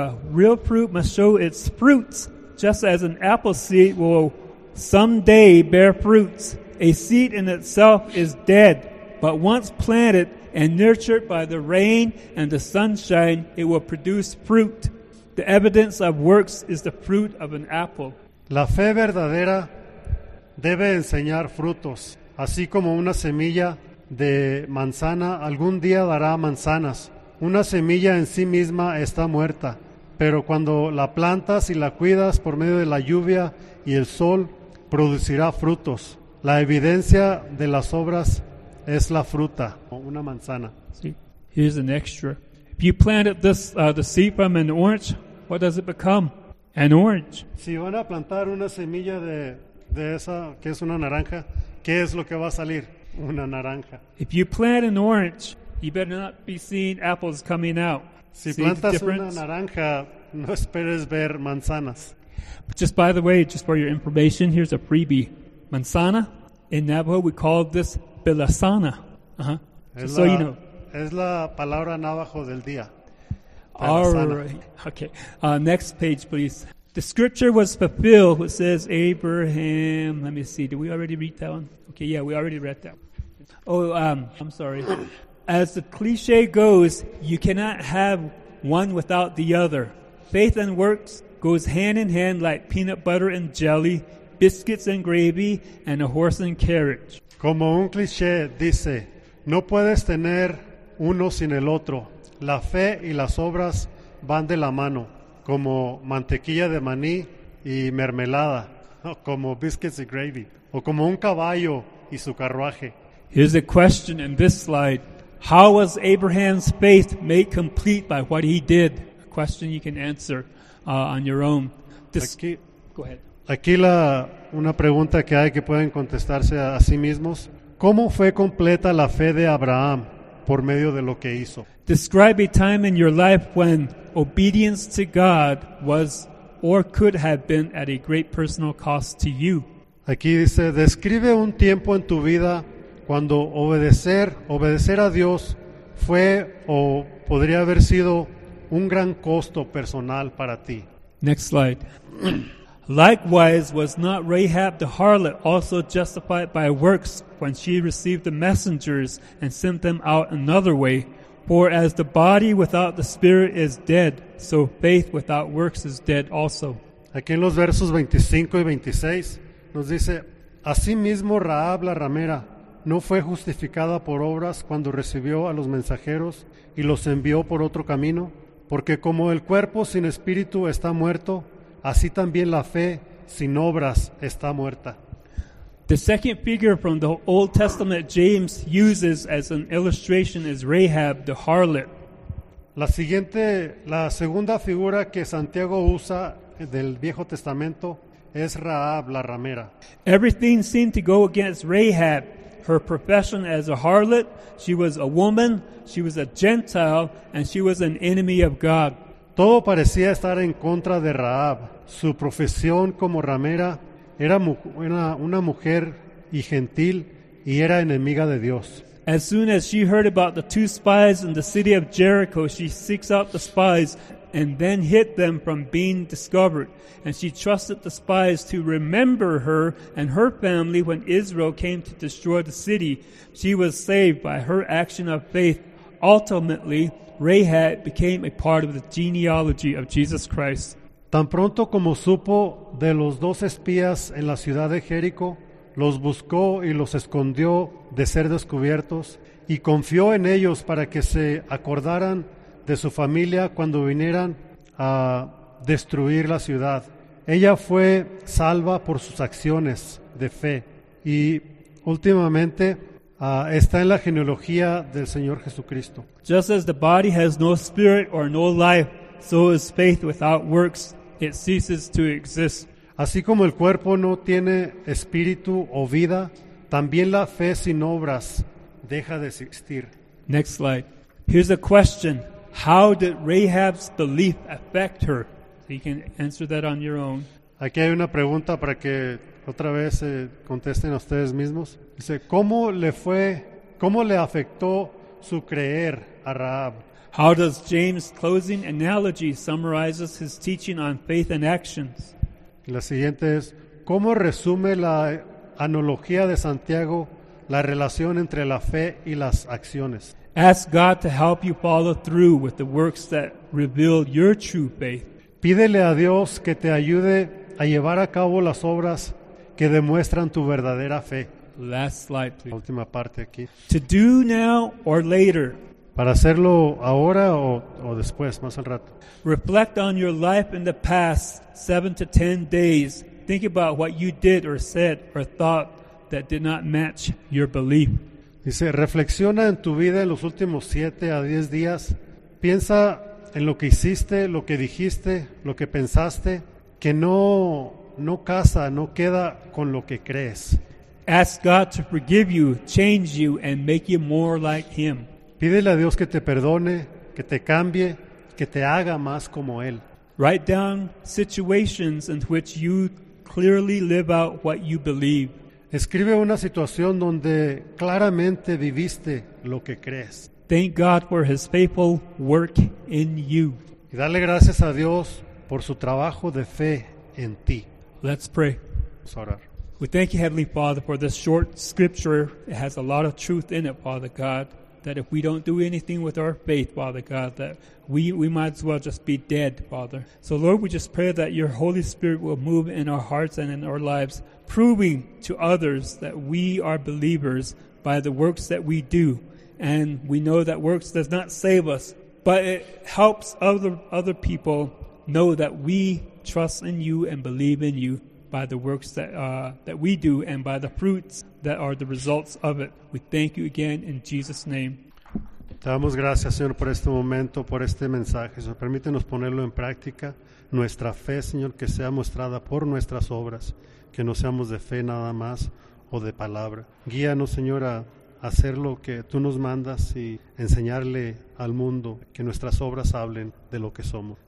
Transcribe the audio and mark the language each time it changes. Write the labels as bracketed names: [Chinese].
[English] Real fruit must show its fruits, just as an apple seed will someday bear fruits. A seed in itself is dead, but once planted and nurtured by the rain and the sunshine, it will produce fruit. The evidence of works is the fruit of an apple. [Spanish] La fe verdadera debe enseñar frutos, así como una semilla de manzana algún día dará manzanas. Una semilla en sí misma está muerta, pero cuando la plantas y la cuidas por medio de la lluvia y el sol, producirá frutos. La evidencia de las obras es la fruta, una manzana. [English] See, here's an extra. If you planted this the seed from an orange, what does it become? An orange. [Spanish] Si van a plantar una semilla de esa que es una naranja, ¿qué es lo que va a salir? Una naranja. [English] If you plant an orange, you better not be seeing apples coming out. [Spanish] Si plantas una naranja, no esperes ver manzanas. [English] But just by the way, just for your information, here's a freebie. Manzana, in Navajo we call this belasana. So you know. [Spanish] Es la palabra navajo del día. [English] Belasana. All right. Okay. Next page, please. The scripture was fulfilled, which says Abraham. Let me see. Did we already read that one? Okay. Yeah, we already read that one. I'm sorry. As the cliche goes, you cannot have one without the other. Faith and works goes hand in hand like peanut butter and jelly, biscuits and gravy, and a horse and carriage. [Spanish] Como un cliché dice, no puedes tener uno sin el otro. La fe y las obras van de la mano, como mantequilla de maní y mermelada, como [English] biscuits and gravy, [Spanish] o como un caballo y su carruaje. [English] Here's a question in this slide. How was Abraham's faith made complete by what he did? A question you can answer on your own. Go ahead. [Spanish] Aquí una pregunta que hay que pueden contestarse a sí mismos. ¿Cómo fue completa la fe de Abraham por medio de lo que hizo? [English] Describe a time in your life when obedience to God was or could have been at a great personal cost to you. [Spanish] Aquí dice, describe un tiempo en tu vida cuando obedecer a Dios fue o podría haber sido un gran costo personal para ti. [English] Next slide. Likewise, was not Rahab the harlot also justified by works when she received the messengers and sent them out another way? For as the body without the spirit is dead, so faith without works is dead also. [Spanish] Aquí en los versos 25 y 26 nos dice, asimismo Rahab la ramera no fue justificada por obras cuando recibió a los mensajeros y los envió por otro camino, porque como el cuerpo sin espíritu está muerto, así también la fe sin obras está muerta. [English] The second figure from the Old Testament James uses as an illustration is Rahab the harlot. [Spanish] La segunda figura que Santiago usa del Viejo Testamento es Rahab la ramera. [English] Everything seemed to go against Rahab, her profession as a harlot, she was a woman, she was a Gentile, and she was an enemy of God. [Spanish] Todo parecía estar en contra de Rahab. Su profesión como ramera era una mujer y gentil y era enemiga de Dios. [English] As soon as she heard about the two spies in the city of Jericho, she seeks out the spies and then hid them from being discovered. And she trusted the spies to remember her and her family when Israel came to destroy the city. She was saved by her action of faith. Ultimately, Rahab became a part of the genealogy of Jesus Christ. [Spanish] Tan pronto como supo de los dos espías en la ciudad de Jericó, los buscó y los escondió de ser descubiertos y confió en ellos para que se acordaran de su familia cuando vinieran a destruir la ciudad. Ella fue salva por sus acciones de fe y últimamente está en la genealogía del Señor Jesucristo. [English] Just as the body has no spirit or no life, so is faith without works. It ceases to exist. [Spanish] Así como el cuerpo no tiene espíritu o vida, también la fe sin obras deja de existir. [English] Next slide. Here's a question. How did Rahab's belief affect her? You can answer that on your own. [Spanish] Aquí hay una pregunta para que otra vez contesten a ustedes mismos. Dice, ¿cómo le afectó su creer a Rahab? [English] How does James' closing analogy summarizes his teaching on faith and actions? [Spanish] La siguiente es, ¿cómo resume la analogía de Santiago la relación entre la fe y las acciones? [English] Ask God to help you follow through with the works that reveal your true faith. [Spanish] Pídele a Dios que te ayude a llevar a cabo las obras que demuestran tu verdadera fe. [English] Last slide, please. [Spanish] La última parte aquí. [English] To do now or later. [Spanish] Para hacerlo ahora o después, más al rato. [English] Reflect on your life in the past 7 to 10 days. Think about what you did or said or thought that did not match your belief. [Spanish] Dice, reflexiona en tu vida en los últimos 7 a 10 días. Piensa en lo que hiciste, lo que dijiste, lo que pensaste, que no casa, no queda con lo que crees. [English] Ask God to forgive you, change you, and make you more like Him. [Spanish] Pídele a Dios que te perdone, que te cambie, que te haga más como Él. [English] Write down situations in which you clearly live out what you believe. [Spanish] Escribe una situación donde claramente viviste lo que crees. [English] Thank God for His faithful work in you. [Spanish] Y dale gracias a Dios por su trabajo de fe en ti. [English] Let's pray. [Spanish] Vamos a orar. [English] We thank you, Heavenly Father, for this short scripture. It has a lot of truth in it, Father God, that if we don't do anything with our faith, Father God, that we might as well just be dead, Father. So, Lord, we just pray that your Holy Spirit will move in our hearts and in our lives, proving to others that we are believers by the works that we do. And we know that works does not save us, but it helps other people know that we trust in you and believe in you by the works that that we do and by the fruits that are the results of it. We thank you again in Jesus' name. [Spanish] Te damos gracias, Señor, por este momento, por este mensaje. Señor, permítenos ponerlo en práctica. Nuestra fe, Señor, que sea mostrada por nuestras obras, que no seamos de fe nada más o de palabra. Guíanos, Señor, a hacer lo que tú nos mandas y enseñarle al mundo que nuestras obras hablen de lo que somos.